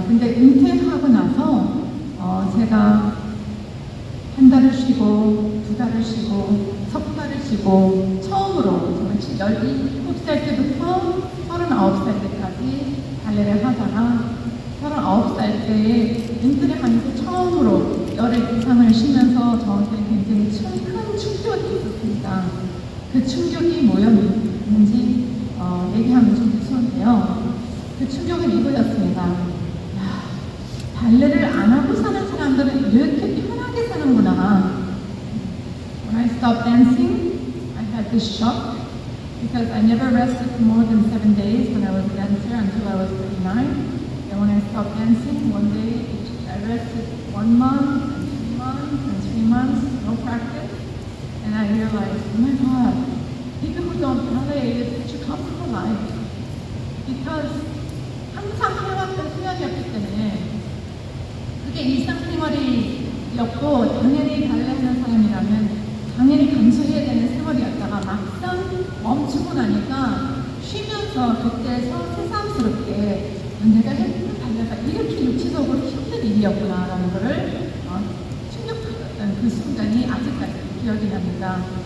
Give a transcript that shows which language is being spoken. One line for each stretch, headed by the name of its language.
Korean: 근데 은퇴하고 나서 제가 한 달을 쉬고 두 달을 쉬고 석 달을 쉬고 처음으로 17살 때부터 39살 때까지 발레를 하다가 39살 때에 은퇴를 하면서 처음으로 열흘 이상을 쉬면서 저한테 굉장히 큰 충격이 있었습니다. 그 충격이 뭐였는지 얘기하면 좀 죄송한데요. 그 충격은 이거였습니다. 야, 발레를 안 하고 사는 사람들은 이렇게 편하게 사는구나.
English: When I stopped dancing, I had this shock because I never rested for more than 7 days when I was a dancer until I was 39. And when I stopped dancing, one day I rested 1 month, and 2 months, and 3 months, no practice. And I realized, oh my God, people who don't ballet, it's such a comfortable life.
Korean: Because 항상 해왔던 생활이었기 때문에 그게 일상 생활이었고 당연히 발레하는 사람이라면 당연히 감수해야 되는 생활이었다가 막상 멈추고 나니까 쉬면서 그때서 새삼스럽게 내가 했던 발레가 이렇게 육체적으로 힘든 일이었구나 라는 것을 충격받았던 그 순간이 아직까지 기억이 납니다.